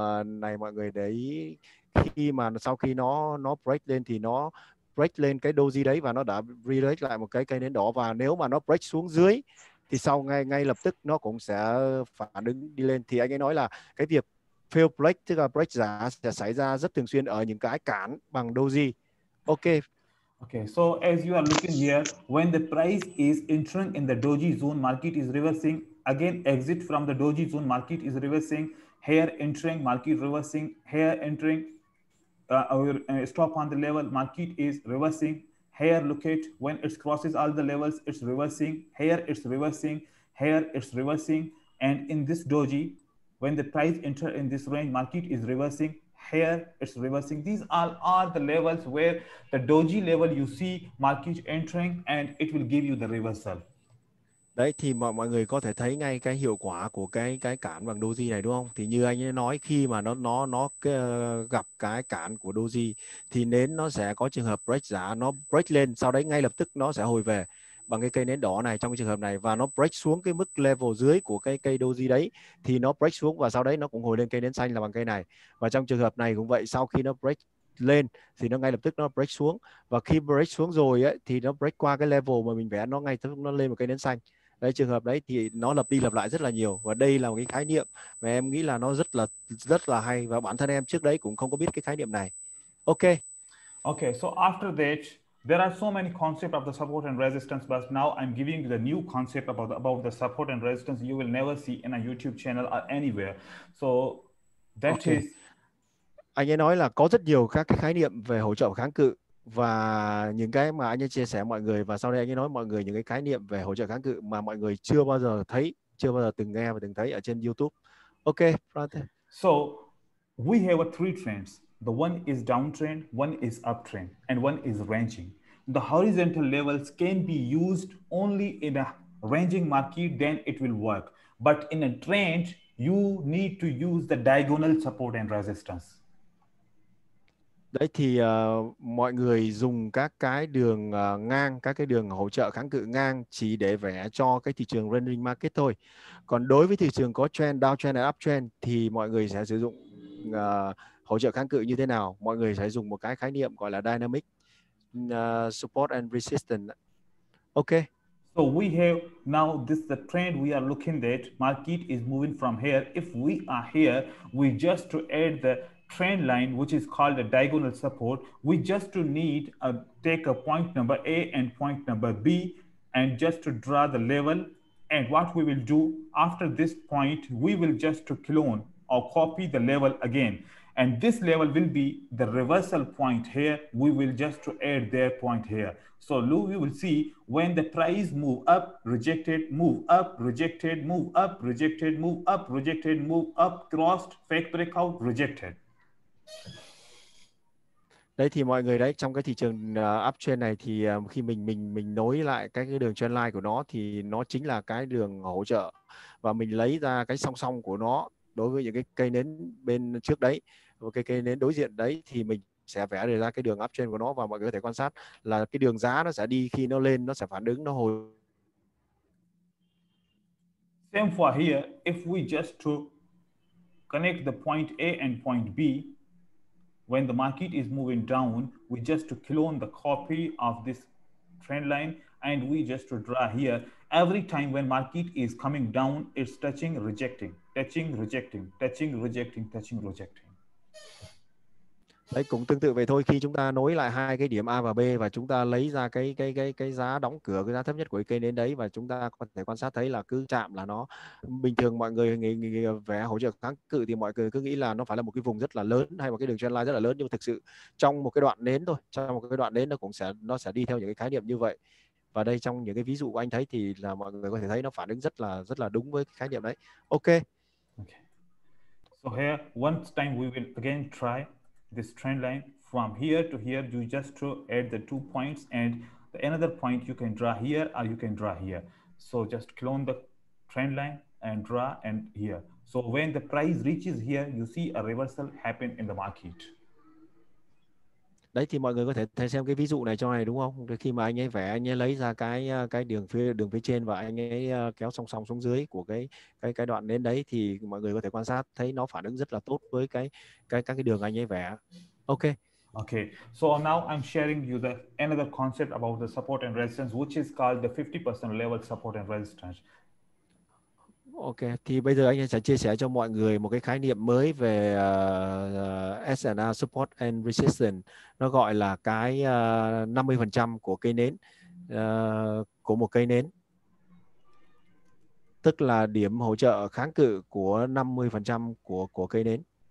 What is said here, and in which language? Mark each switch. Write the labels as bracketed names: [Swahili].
[Vietnamese] này mọi người đấy, khi mà sau khi nó break lên thì nó break lên cái doji đấy và nó đã relay lại một cái cây nến đỏ, và nếu mà nó break xuống dưới thì sau ngay lập tức nó cũng sẽ phản ứng đi lên. Thì anh ấy nói là cái việc fail break, tức là break giá, sẽ xảy ra rất thường xuyên ở những cái cản bằng doji. [English] Okay. Okay, so as you are looking here, when the price is entering in the doji zone, market is reversing. Again, exit from the doji zone, market is reversing. Here entering, market reversing. Here entering, stop on the level, market is reversing. Here look at, when it crosses all the levels, it's reversing. Here it's reversing. Here it's reversing. And in this doji, when the price enter in this range, market is reversing. Here it's reversing. These are the levels where the doji level you see market entering and it will give you the reversal. [Vietnamese] Đấy thì mọi người có thể thấy ngay cái hiệu quả của cái cản bằng doji này đúng không? Thì như anh ấy nói, khi mà nó gặp cái cản của doji thì nến nó sẽ có trường hợp break giá, nó break lên, sau đấy ngay lập tức nó sẽ hồi về bằng cái cây nến đỏ này trong cái trường hợp này, và nó break xuống cái mức level dưới của cái cây doji đấy thì nó break xuống và sau đấy nó cũng hồi lên cây nến xanh là bằng cây này. Và trong trường hợp này cũng vậy, sau khi nó break lên thì nó ngay lập tức nó break xuống, và khi break xuống rồi ấy thì nó break qua cái level mà mình vẽ, nó ngay lập tức nó lên một cây nến xanh. Đấy, trường hợp đấy thì nó lặp đi lặp lại rất là nhiều, và đây là một cái khái niệm mà em nghĩ là nó rất là hay, và bản thân em trước đấy cũng không có biết cái khái niệm này. [English] Okay. Okay, so after that there are so many concepts of the support and resistance, but now I'm giving you the new concept about the support and resistance you will never see in a YouTube channel or anywhere. So that okay. Is [Vietnamese] anh ấy nói là có rất nhiều các cái khái niệm về hỗ trợ kháng cự, và những cái mà anh ấy chia sẻ mọi người, và sau đây anh ấy nói mọi người những cái khái niệm về hỗ trợ kháng cự mà mọi người chưa bao giờ thấy, chưa bao giờ từng nghe và từng thấy ở trên YouTube. [English] Ok, brother. So we have three trends. The one is downtrend, one is uptrend, and one is ranging. The horizontal levels can be used only in a ranging market, then it will work. But in a trend, you need to use the diagonal support and resistance. [Vietnamese] Đấy thì mọi người dùng các cái đường ngang, các cái đường hỗ trợ kháng cự ngang chỉ để vẽ cho cái thị trường ranging market thôi. Còn đối với thị trường có trend, downtrend hay uptrend thì mọi người sẽ sử dụng hỗ trợ kháng cự như thế nào? Mọi người sẽ dùng một cái khái niệm gọi là dynamic support and resistance. [English] Okay. So we have now this the trend we are looking at. Market is moving from here. If we are here, we just to add the trend line which is called a diagonal support, we just to need a take a point number A and point number B and just to draw the level. And what we will do after this point, we will just to clone or copy the level again, and this level will be the reversal point here. We will just to add their point here. So Lou, you will see when the price move up, rejected, move up, rejected, move up, rejected, move up, rejected, move up, crossed, fake breakout, rejected. [Vietnamese] Đấy thì mọi người đấy, trong cái thị trường uptrend này thì khi mình nối lại cái đường trend line của nó thì nó chính là cái đường hỗ trợ, và mình lấy ra cái song song của nó đối với những cái cây nến bên trước đấy và cái cây nến đối diện đấy, thì mình sẽ vẽ ra cái đường uptrend của nó, và mọi người có thể quan sát là cái đường giá nó sẽ đi, khi nó lên nó sẽ phản ứng, nó hồi. [English] Same for here, if we just to connect the point A and point B, when the market is moving down, we just to clone the copy of this trend line and we just to draw here. Every time when market is coming down, it's touching, rejecting, touching, rejecting, touching, rejecting, touching, rejecting. [Vietnamese] Đấy, cũng tương tự vậy thôi, khi chúng ta nối lại hai cái điểm A và B và chúng ta lấy ra cái giá đóng cửa, cái giá thấp nhất của cây nến đấy, và chúng ta có thể quan sát thấy là cứ chạm là nó bình thường. Mọi người vẽ hỗ trợ kháng cự thì mọi người cứ nghĩ là nó phải là một cái vùng rất là lớn hay một cái đường trendline rất là lớn, nhưng mà thực sự trong một cái đoạn nến thôi, trong một cái đoạn nến nó sẽ đi theo những cái khái niệm như vậy. Và đây trong những cái ví dụ của anh thấy thì là mọi người có thể thấy nó phản ứng rất là đúng với cái khái niệm đấy. [English] So here, one time we will again try this trend line from here to here. You just draw at the two points, and the another point you can draw here or you can draw here. So just clone the trend line and draw and here. So when the price reaches here, you see a reversal happen in the market. [Vietnamese] Đấy thì mọi người có thể xem cái ví dụ này cho này đúng không? Khi mà anh ấy vẽ, anh ấy lấy ra cái đường phía trên và anh ấy kéo song song xuống dưới của cái đoạn nến đấy, thì mọi người có thể quan sát thấy nó phản ứng rất là tốt với các cái đường anh ấy vẽ. [English] Okay. So now I'm sharing you the another concept about the support and resistance, which is called the 50% level support and resistance. [Vietnamese] Ok, thì bây giờ anh sẽ chia sẻ cho mọi người một cái khái niệm mới về SNR Support and Resistance. Nó gọi là cái 50% của cây nến, của một cây nến. Tức là điểm hỗ trợ kháng cự của 50% của cây nến.